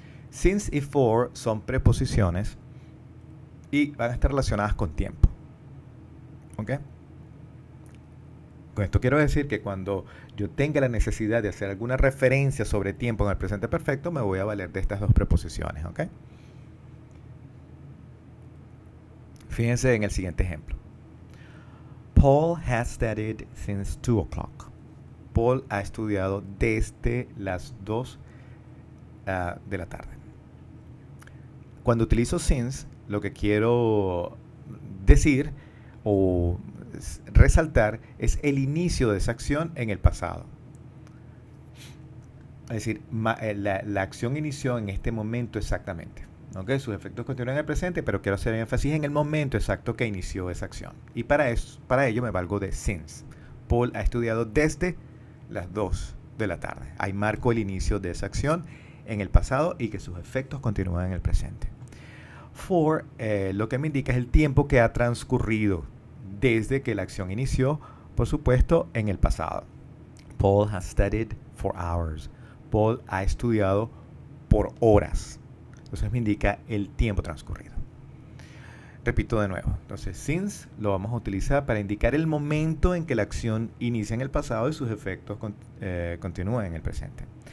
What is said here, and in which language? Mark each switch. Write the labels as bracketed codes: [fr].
[es] Since y for son preposiciones y van a estar relacionadas con tiempo. ¿Ok? Con esto quiero decir que cuando yo tenga la necesidad de hacer alguna referencia sobre tiempo en el presente perfecto, me voy a valer de estas dos preposiciones. ¿Ok? Fíjense en el siguiente ejemplo. [en] Paul has studied since 2 o'clock. [es] Paul ha estudiado desde las 2 de la tarde. Cuando utilizo since, lo que quiero decir o resaltar es el inicio de esa acción en el pasado. Es decir, la acción inició en este momento exactamente. ¿Ok? Sus efectos continúan en el presente, pero quiero hacer énfasis en el momento exacto que inició esa acción. Y para ello me valgo de since. Paul ha estudiado desde las 2 de la tarde. Ahí marco el inicio de esa acción en el pasado y que sus efectos continúan en el presente. For, lo que me indica es el tiempo que ha transcurrido desde que la acción inició, por supuesto, en el pasado. [en] Paul has studied for hours. [es] Paul ha estudiado por horas. Entonces me indica el tiempo transcurrido. Repito de nuevo. Entonces, since lo vamos a utilizar para indicar el momento en que la acción inicia en el pasado y sus efectos continúan en el presente.